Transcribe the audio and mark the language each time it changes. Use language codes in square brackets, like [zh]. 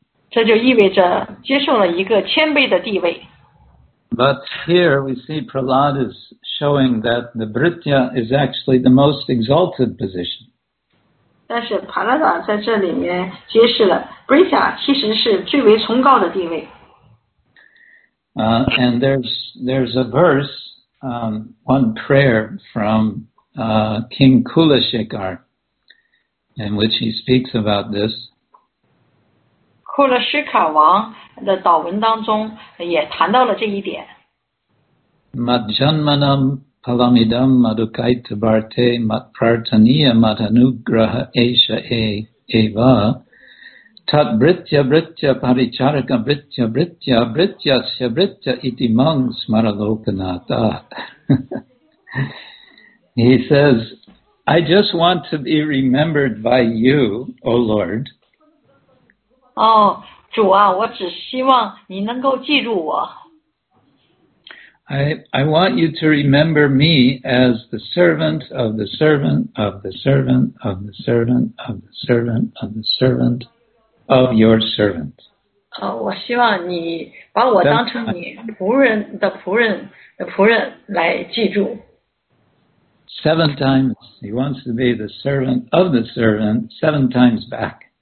[zh] 这就意味着接受了一个谦卑的地位。 [en] But here we see Prahlad is showing that the Britya is actually the most exalted position. [zh] 但是帕拉达在这里面揭示了 Britya 其实是最为崇高的地位。 [en] And there's a verse, one prayer from King Kulashekar, in which he speaks about this. [zh] 库勒施卡王的祷文当中也谈到了这一点。 [sa] Madjanmanam palamidam madukaita bharte matpartaniya matanugraha esha eva tat britya britya paricharaka britya britya britya sya britya iti mang smaralokanata. [en] He says, I just want to be remembered by you, O Lord. [zh] 主啊，我只希望你能够记住我。 [en] I want you to remember me as the servant of the servant of the servant of the servant of the servant of the servant of your servant. [zh] 我希望你把我当成你仆人的仆人的仆人来记住。 [en] Seven times, he wants to be the servant of the servant seven times back.